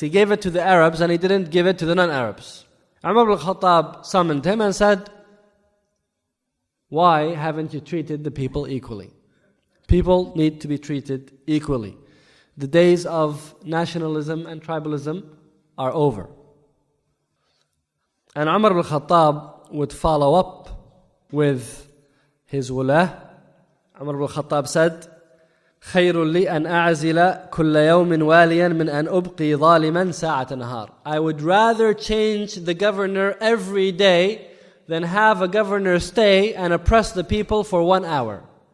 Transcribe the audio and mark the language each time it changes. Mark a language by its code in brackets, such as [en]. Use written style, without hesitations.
[en] He gave it to the Arabs and he didn't give it to the non-Arabs. Umar ibn al-Khattab summoned him and said, "Why haven't you treated the people equally? People need to be treated equally. The days of nationalism and tribalism are over." And Umar al-Khattab would follow up with his wulah. Umar al-Khattab said, [ar] خَيْرٌ لِي أَنْ أَعْزِلَ كُلَّ يَوْمٍ وَالِيًا مِنْ أَنْ أُبْقِي ظَالِمًا سَاعَةَ نَهَارٍ. [en] I would rather change the governor every day than have a governor stay and oppress the people for 1 hour.